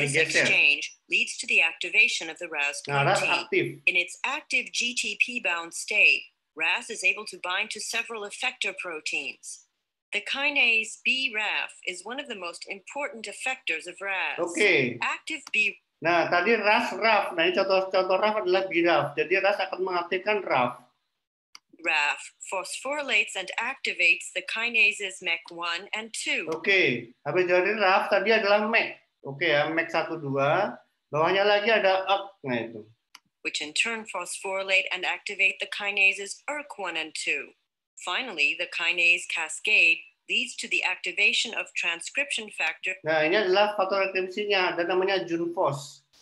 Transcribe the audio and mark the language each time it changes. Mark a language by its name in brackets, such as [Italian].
[English] This exchange leads to the activation of the RAS protein. [Indonesian] Nah, RAS aktif. [English] In its active GTP-bound state, RAS is able to bind to several effector proteins. The kinase BRAF is one of the most important effectors of RAS. Okay. Active B. [Indonesian] Nah, tadi RAS RAF. Nah, ini contoh-contoh RAF adalah BRAF. Jadi RAS akan mengaktifkan RAF. [English] RAF phosphorylates and activates the kinases MEK 1 and 2. Oke, okay. [Indonesian] Habis dari RAF tadi adalah MEK. Oke okay, ya, MEK 1 2. Bawahnya lagi ada ERK, nah itu. [English] Which in turn phosphorylate and activate the kinases ERK 1 and 2. Finally, the kinase cascade leads to the activation of transcription factor. [Indonesian] Nah, ini adalah faktor transkripsinya dan namanya Junfos.